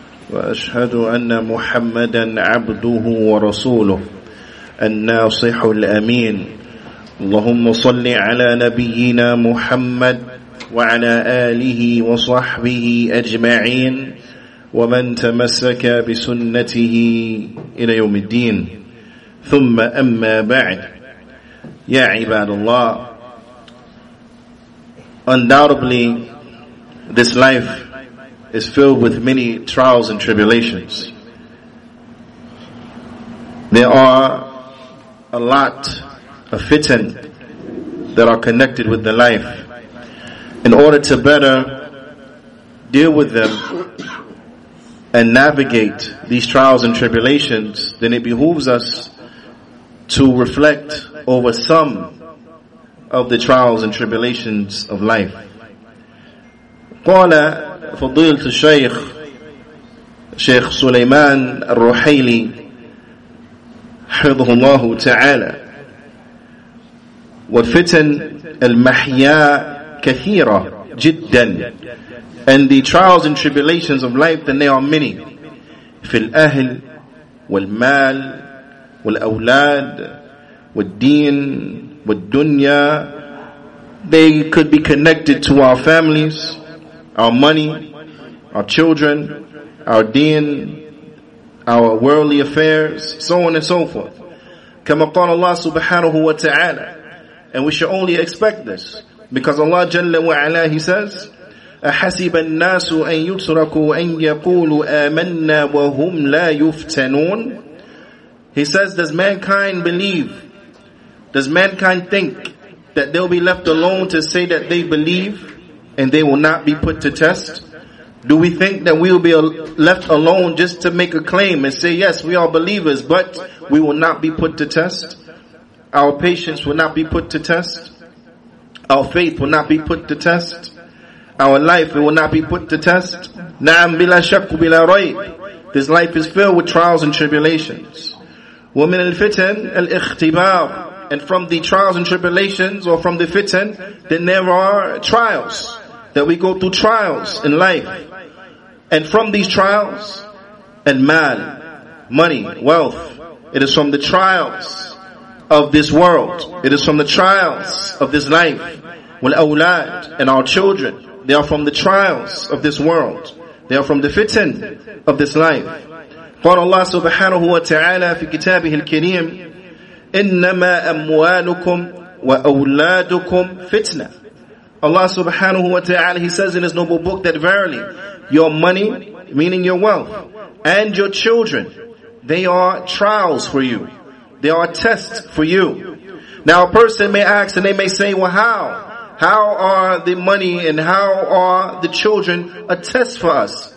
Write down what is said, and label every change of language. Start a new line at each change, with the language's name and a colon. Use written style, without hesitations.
Arabic: وأشهد أن محمدا عبده ورسوله الناصح الأمين اللهم صل على نبينا محمد وعلى آله وصحبه أجمعين ومن تمسك بسنته إلى يوم الدين ثم أما بعد يا عباد الله.
English: Undoubtedly, this life is filled with many trials and tribulations. There are a lot of fitan that are connected with the life. In order to better deal with them and navigate these trials and tribulations, then it behooves us to reflect over some of the trials and tribulations of life.
Arabic: قال فضيلة الشيخ شيخ سليمان الرحيلي حفظه الله تعالى وفتن المحيا كثيرة جدا.
English: And the trials and tribulations of life, then they are many.
Arabic: في الأهل والمال والأولاد والدين والدنيا.
English: They could be connected to our families, our money, our children, our deen, our worldly affairs, so on and so forth.
Arabic: كما قال الله سبحانه وتعالى.
English: And we should only expect this, because Allah
Arabic: جل وعلا,
English: He says,
Arabic: أحسب الناس أن يتركوا أن يقولوا آمنا وهم لا يفتنون.
English: He says, does mankind believe? Does mankind think that they'll be left alone to say that they believe and they will not be put to test? Do we think that we'll be left alone just to make a claim and say, yes, we are believers, but we will not be put to test? Our patience will not be put to test. Our faith will not be put to test. Our life, it will not be put to test.
Arabic: نعم بلا شك بلا ريب.
English: This life is filled with trials and tribulations.
Arabic: ومن الفتن الاختبار.
English: And from the trials and tribulations, or from the fitan, then there are trials, that we go through trials in life. And from these trials, and man, money, wealth, it is from the trials of this world. It is from the trials of this life. والأولاد, and our children, they are from the trials of this world. They are from the fitan of this life.
Arabic: قال الله سبحانه وتعالى في كتابه الكريم إنما أموالكم وأولادكم فتنة.
English: Allah subhanahu wa ta'ala, He says in His noble book that verily, your money, meaning your wealth, and your children, they are trials for you. They are tests for you. Now a person may ask and they may say, well, how? How are the money and how are the children a test for us?